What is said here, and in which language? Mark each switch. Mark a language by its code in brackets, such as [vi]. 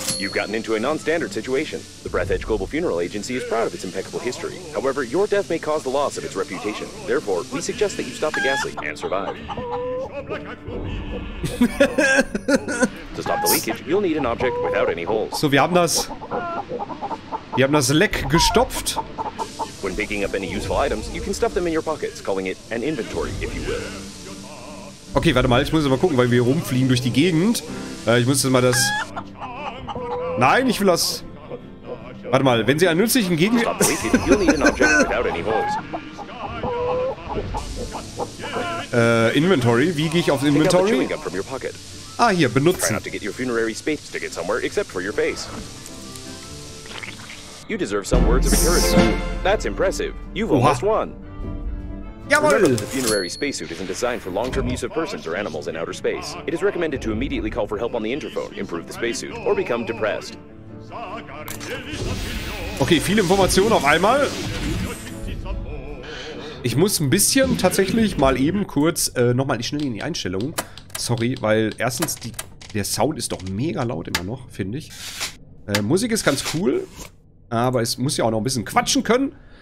[en] You've gotten into a non-standard situation. The Breath Edge Global Funeral Agency is proud of its impeccable history. However, your death may cause the loss of its reputation. Therefore, we suggest that you stop the gas leak and survive. To stop the leakage, you'll need an object without any holes. [de] So, wir haben das Leck gestopft. [en] When picking up any useful items, you can stuff them in your pockets, calling it an inventory, if you will. [de] Okay, warte mal, ich muss jetzt mal gucken, weil wir rumfliegen durch die Gegend. Ich muss jetzt mal das... Nein, ich will das... Warte mal, wenn sie einen nützlichen Inventory, wie gehe ich aufs Inventory? Ah, hier, benutzen. [en] Try not to get your funerary space ticket somewhere except for your face. You deserve some words of encouragement. That's impressive. You've almost won. [de] Jawohl. [en] Remember that the funerary spacesuit isn't designed for long-term use of persons or animals in outer space. It is recommended to immediately call for help on the interphone, improve the spacesuit, or become depressed. [de] Okay, viel Information auf einmal. Ich muss ein bisschen tatsächlich mal eben kurz nochmal schnell in die Einstellung. Sorry, weil erstens der Sound ist doch mega laut immer noch, finde ich. Musik ist ganz cool. Aber es muss ja auch noch ein bisschen quatschen können.